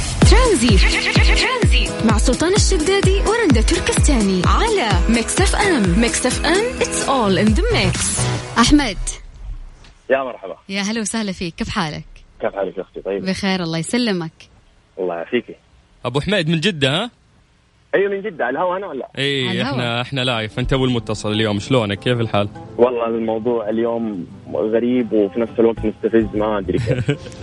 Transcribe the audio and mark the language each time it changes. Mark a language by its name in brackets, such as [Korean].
[Arabic] ترانزيت مع سلطان الشدادي ورندا تركستاني على ميكس اف ام. [English] Mix F M, it's all in the mix. [Arabic] احمد، يا مرحبا. يا هلا وسهلا فيك، كيف حالك؟ كيف حالك يا اختي؟ طيب بخير الله يسلمك. الله يعافيك. ابو حميد من جده؟ ايوه من جده. الهوا انا ولا اي؟ احنا لايف، انت اول متصل اليوم، شلونك، كيف الحال؟ والله الموضوع اليوم غريب وفي نفس الوقت مستفز، ما ادري كيف.